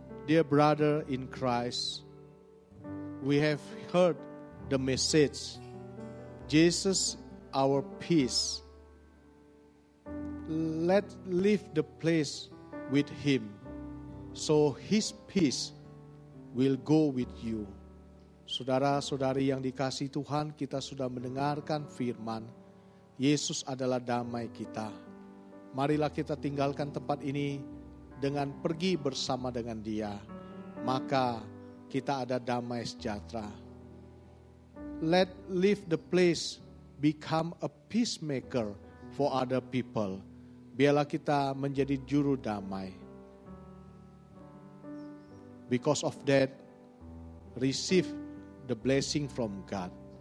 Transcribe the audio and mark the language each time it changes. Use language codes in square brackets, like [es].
[en] Dear brother in Christ, we have heard the message, Jesus, our peace. Let leave the place with him, so his peace will go with you. [id] Saudara-saudari yang dikasihi Tuhan, kita sudah mendengarkan firman. Yesus adalah damai kita. Marilah kita tinggalkan tempat ini dengan pergi bersama dengan Dia. Maka kita ada damai sejahtera. [en] Let leave the place become a peacemaker for other people. [id] Biarlah kita menjadi juru damai. [en] Because of that, receive the blessing from God.